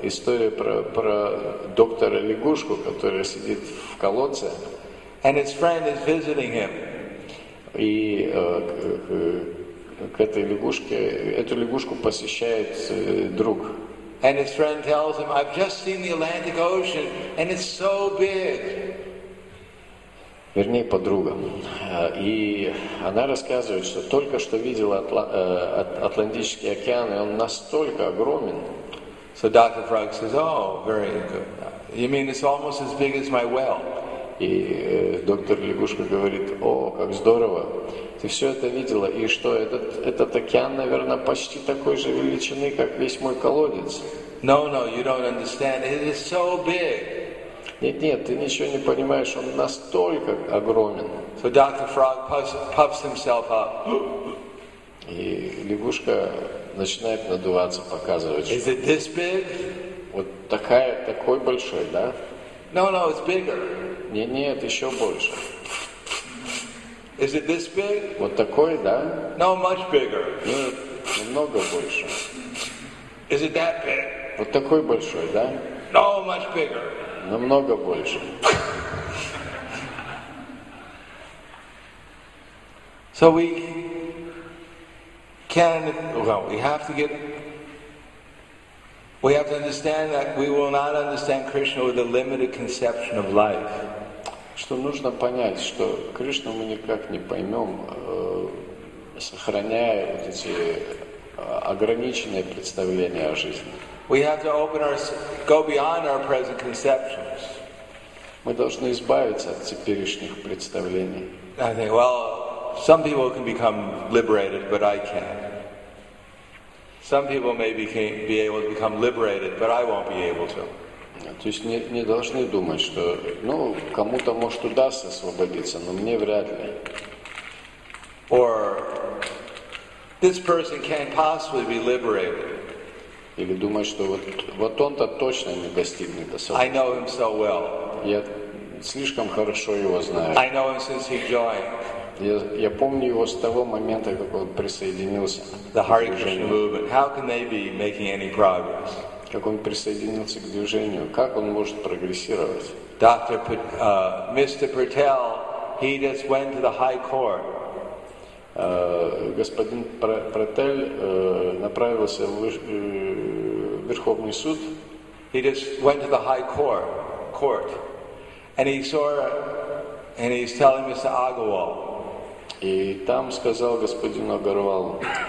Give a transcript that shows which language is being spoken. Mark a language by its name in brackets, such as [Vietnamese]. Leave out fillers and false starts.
[Russian] История про доктора лягушку, которая сидит в колодце. [English] And his friend is visiting him. [Russian] И к этой лягушке, эту лягушку посещает друг. [English] And his friend tells him, I've just seen the Atlantic Ocean, and it's so big. [Russian] Вернее, подруга. И она рассказывает, что только что видела Атлантический океан, и он настолько огромен. [English] So Dr. Frog says, oh, very good. You mean it's almost as big as my well? [Russian] И доктор лягушка говорит, о, как здорово, ты все это видела, и что, этот океан, наверное, почти такой же величины, как весь мой колодец. [English] No, no, you don't understand, it is so big. [Russian] Нет, ты ничего не понимаешь, он настолько огромен. [English] So Dr. Frog puffs himself up. [Russian] И лягушка начинает надуваться, показывать. [English] Is it this big? [Russian] Вот такая, такой большой, да? [English] No, it's bigger. [Russian] Нет, еще больше. [English] Is it this big? [Russian] Вот такой, да? [English] No, much bigger. [Russian] Нет, намного больше. [English] Is it that big? [Russian] Вот такой большой, да? [English] No, much bigger. [Russian] Намного больше. [English] So we can, well, we have to get, we have to understand that we will not understand Krishna with a limited conception of life. [Russian] Что нужно понять, что Кришну мы никак не поймем, сохраняя вот эти ограниченные представления о жизни. [English] We have to go beyond our present conceptions. [Russian] Мы должны избавиться от теперешних представлений. [English] I think, well, some people can become liberated, but I can't. Some people may be able to become liberated, but I won't be able to. [Russian] То есть не должны думать, что, ну, кому-то может удастся освободиться, но мне вряд ли. [English] Or this person can't possibly be liberated. [Russian] Или думать, что вот он-то точно не достигнет освобождения. [English] I know him so well. [Russian] Я слишком хорошо его знаю. [English] I know him since he joined. [Russian] Я помню его с того момента, как он присоединился. [English] The Hare Krishna movement. How can they be making any progress? [Russian] Как он присоединился к движению, как он может прогрессировать? [English] Dr. Mr. Patel, he just went to the High Court. [Russian] Господин Пратель направился в Верховный суд. [English] He just went to the High Court, and he saw, and he's telling Mr. Agarwal. [Russian] И там сказал господину Агарвалу.